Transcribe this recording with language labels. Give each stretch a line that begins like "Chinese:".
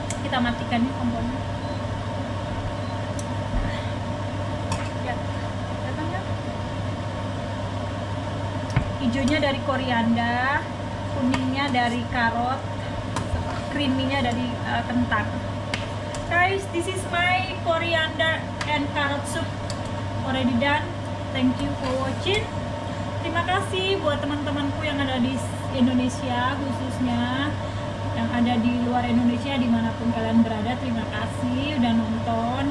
Indonesian: Kita matikan nih kompornya. Ya, datang kan? Hijaunya dari koriander, kuningnya dari karot, creaminya dari kentang.
English: Guys, this is my coriander and carrot soup already done. Thank you for watching.
Indonesian: Terima kasih buat teman-temanku yang ada di Indonesia, khususnya yang ada di luar Indonesia, dimanapun kalian berada. Terima kasih udah nonton.